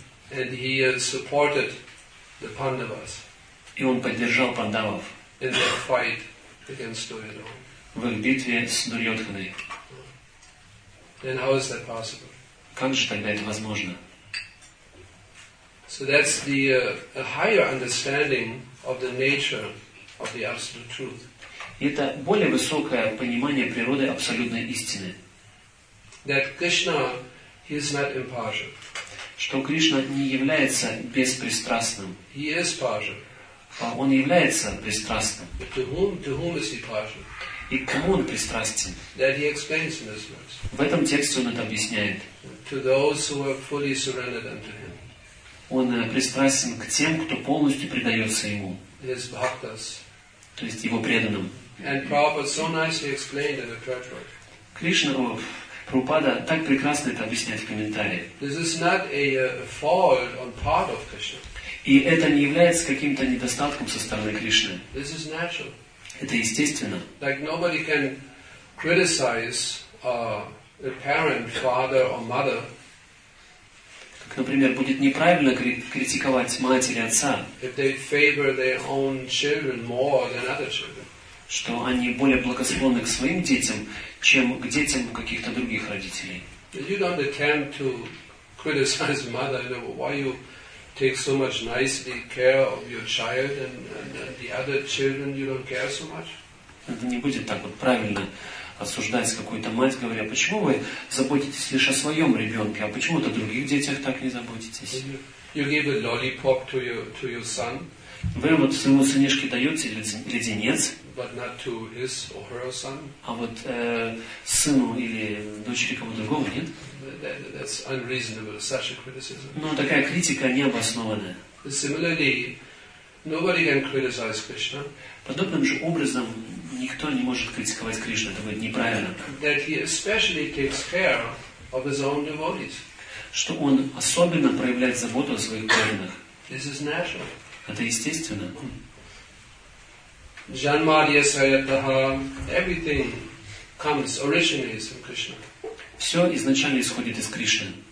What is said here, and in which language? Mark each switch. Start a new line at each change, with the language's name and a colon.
English: And he had supported the Pandavas.
Russian: И он поддержал пандавов.
English: In their fight against Duryodhana.
Russian: В их битве с Дурьотханой.
English: Then how is that possible?
Russian: Как же тогда это возможно?
English: So that's the higher understanding of the nature of the absolute truth.
Russian: Это более высокое понимание природы абсолютной истины.
English: That Krishna, he is not impartial.
Russian: Что Кришна не является беспристрастным.
English: He is partial.
Russian: А он является пристрастным.
English: But to whom is he partial?
Russian: И к кому он пристрастен?
English: That he explains in this verse.
Russian: В этом тексте он это объясняет.
English: To those who are fully surrendered unto him.
Russian: Он пристрастен к тем, кто полностью предается ему.
English: His bhaktas.
Russian: То есть его преданным.
English: And Prabhupada so nicely explained in the Tretroid.
Russian: Кришна, Прабхупада так прекрасно это объясняет в комментарии.
English: This is not a fault on part of Krishna.
Russian: И это не является каким-то недостатком со стороны Кришны.
English: This is natural.
Russian: Это естественно.
English: Like nobody can criticize a parent, father or mother.
Russian: Как, например, будет неправильно критиковать мать или отца.
English: If they favor their own children more than other children.
Russian: Что они более благосклонны к своим детям, чем к детям каких-то других родителей.
English: You don't attempt to criticize mother, you know, why you take so much nicely care of your child and the other children you don't care so much.
Russian: Это не будет так вот правильно осуждать какую-то мать, говоря, почему вы заботитесь лишь о своем ребенке, а почему-то о других детях так не заботитесь.
English: You give a lollipop to your son.
Russian: Вы вот своему сынишке даете леденец,
English: but not to his or her son.
Russian: А вот сыну или дочери кого-то другого нет.
English: That's unreasonable, such a criticism.
Russian: Но такая критика необоснованная.
English: Similarly, nobody can criticize Krishna.
Russian: Подобным же образом никто не может критиковать Кришну, это будет неправильно.
English: That he especially takes care of his own devotees.
Russian: Что он особенно проявляет заботу о своих преданных.
English: This is natural.
Russian: Это естественно.
Sanskrit: Janmadya Sayataha,
English: everything comes, originates from Krishna.
Russian: Все изначально исходит из Кришны.